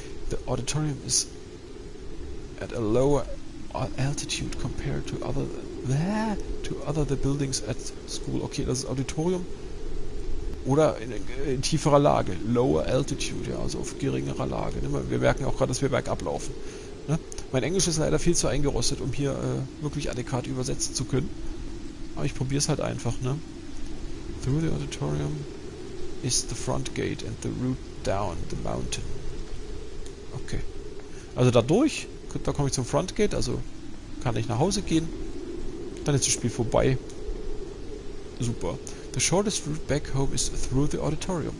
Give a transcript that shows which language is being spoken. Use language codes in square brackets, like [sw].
[en] The auditorium is at a lower altitude compared to other buildings at school. [de] Okay, das ist Auditorium. Oder in tieferer Lage. [en] Lower altitude, [de] ja, also auf geringerer Lage. Ne? Wir merken auch gerade, dass wir bergab laufen. Ne? Mein Englisch ist leider viel zu eingerostet, um hier wirklich adäquat übersetzen zu können. Aber ich probiere es halt einfach, ne? [en] Through the auditorium is the front gate and the route down the mountain. [de] Okay. Also dadurch, da komme ich zum Front Gate, also kann ich nach Hause gehen. Dann ist das Spiel vorbei. Super. [en] The shortest route back home is through the auditorium.